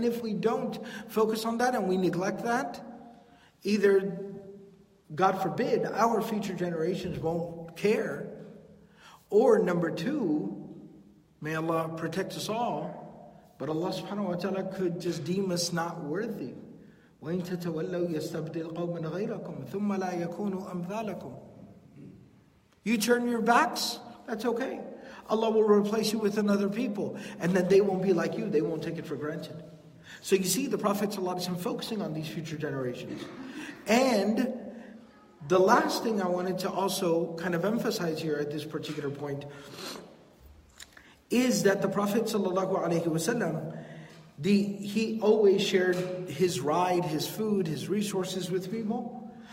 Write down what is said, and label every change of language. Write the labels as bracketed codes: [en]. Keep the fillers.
[en] And if we don't focus on that and we neglect that, either, God forbid, our future generations won't care, or number two, may Allah protect us all, but Allah subhanahu wa ta'ala could just deem us not worthy. [ar] وَإِن تَتَوَلَّوْا يَسْتَبْدِلْ قَوْمًا غَيْرَكُمْ ثُمَّ لَا يَكُونُوا أَمْثَالَكُمْ [en] you turn your backs, that's okay. Allah will replace you with another people, and then they won't be like you. They won't take it for granted. So you see, the Prophet ﷺ focusing on these future generations. And the last thing I wanted to also kind of emphasize here at this particular point is that the Prophet ﷺ, the, he always shared his ride, his food, his resources with people.